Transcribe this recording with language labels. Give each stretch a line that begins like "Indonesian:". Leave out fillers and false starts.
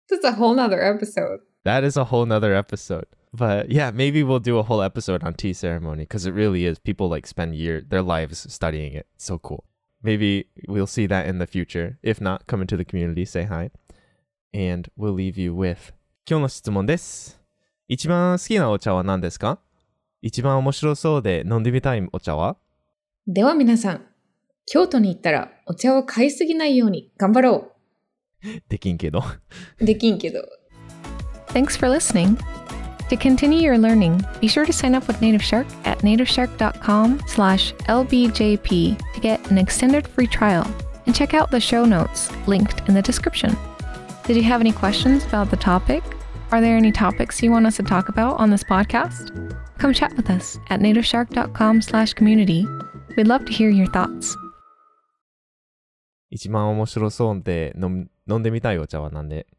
English: That's a whole nother episode. That is a whole nother episode. But yeah, maybe we'll do a whole episode on tea ceremony because it really is. People like spend their lives studying it. It's so cool. Maybe we'll see that in the future. If not, come into the community, say hi. And we'll leave you with
Japanese: 今日の質問です。一番好きなお茶は何ですか？一番面白そうで飲んでみたいお茶は？では皆さん、京都に行ったらお茶を買いすぎないように頑張ろう。できんけど。できんけど。
English: Thanks for listening. To continue your learning, be sure to sign up with Native Shark at nativeshark.com/lbjp to get an extended free trial and check out the show notes linked in the description. Did you have any questions about the topic? Are there any topics you want us to talk about on this podcast? Come chat with us at nativeshark.com/community. We'd love to hear your thoughts.
Japanese: 一番面白そうで飲んでみたいお茶はなんで？